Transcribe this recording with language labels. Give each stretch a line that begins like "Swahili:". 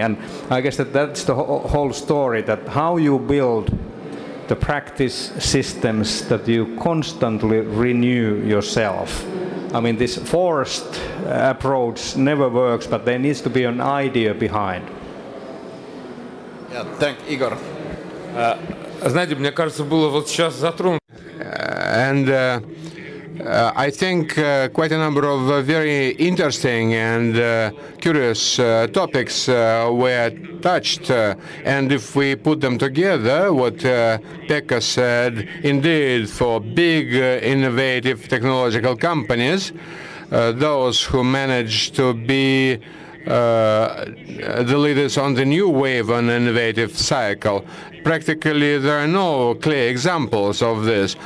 English: And I guess that's the whole story, that how you build the practice systems that you constantly renew yourself. I mean, this forced approach never works, but there needs to be an idea behind. Yeah, thank you, Igor.
Russian: Знаете, мне кажется, было вот сейчас затронуто.
English: And I think quite a number of very interesting and curious topics were touched. And if we put them together, what Pekka said, indeed, for big innovative technological companies, those who manage to be the leaders on the new wave on innovative cycle, practically there are no clear examples of this.